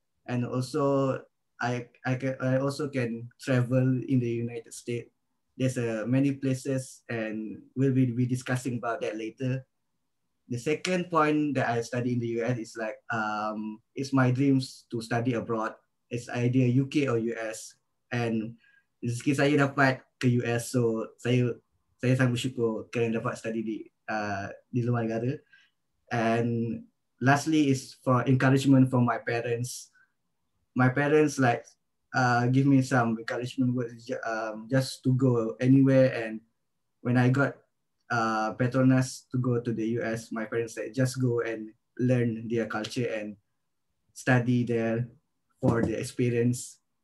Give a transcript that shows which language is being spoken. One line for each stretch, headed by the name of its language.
English: And also, I also can travel in the United States. There's many places, and we'll be discussing about that later. The second point that I study in the US is like, it's my dreams to study abroad. It's either UK or US.
Malay: And rezeki saya dapat ke US, so saya sangat bersyukur kerana dapat study di luar negara.
English: And lastly is for encouragement from my parents. My parents like, give me some encouragement words, just to go anywhere. And when I got PETRONAS to go to the US, my parents said, just go and learn their culture and study there for the experience.